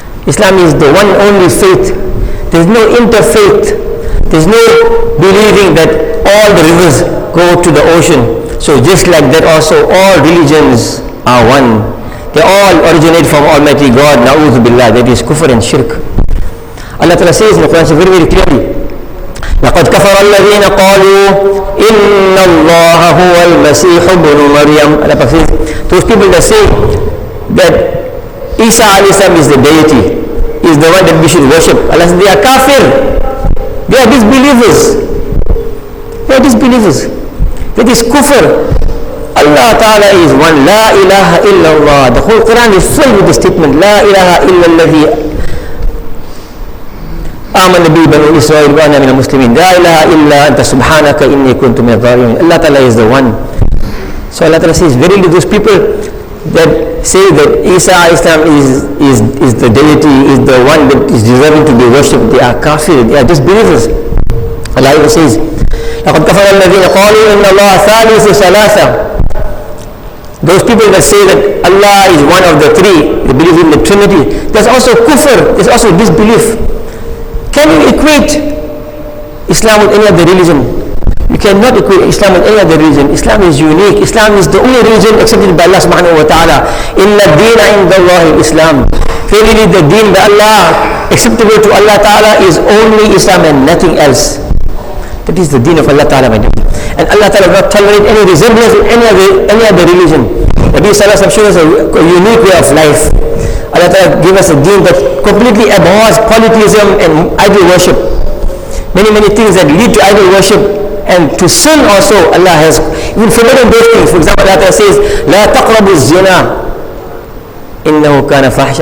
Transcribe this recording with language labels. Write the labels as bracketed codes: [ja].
[en] Islam is the one only faith. There's no interfaith. There's no believing that all the rivers go to the ocean. So just like that also, all religions are one. They all originate from Almighty God. Na'udhu Billah. That is kufr and shirk. Allah Ta'ala says in the Quran very, very clearly, [ar] لَقَدْ كَفَرَ الَّذِينَ قَالُوا إِنَّ اللَّهَ هُوَ الْمَسِيحُ بْنُ مَرْيَمُ. [en] Allah Ta'ala says, those people that say that Isa alayhi salam is the deity, is the one that we should worship, Allah says, they are kafir. They are disbelievers. They are disbelievers. That is kufr. Allah Ta'ala is one. La ilaha illallah. The whole Quran is filled with the statement, La ilaha illallah. [ar] آمن بي بنو إسرائيل وأنا من المسلمين. لا إله إلا أنت سبحانك إني كنت من الظالمين. [en] Allah Ta'ala is the one. So Allah Ta'ala says, verily those people that say that Isa Islam is the deity, is the one that is deserving to be worshipped, they are kafir, they are disbelievers. Allah Ta'ala says, [ar] لقد كفر الذين قالوا إن الله ثالث ثلاثة. [en] Those people that say that Allah is one of the three, they believe in the Trinity, that's also kufr, that's also disbelief. Can you equate Islam with any other religion? You cannot equate Islam with any other religion. Islam is unique. Islam is the only religion accepted by Allah subhanahu wa ta'ala. Inna deena inda Allah al-Islam. Verily the deen by Allah, acceptable to Allah ta'ala, is only Islam and nothing else. That is the deen of Allah ta'ala, my dear. And Allah ta'ala does not tolerate any resemblance with any other religion. Nabi sallallahu alayhi wa sallam shows us a unique way of life. Allah Ta'ala give us a deen that completely abhors polytheism and idol worship. Many, many things that lead to idol worship and to sin also, Allah has even forbidden those things. For example, Allah Ta'ala says, [ar] لا تقرب الزنا إنه كان فحش.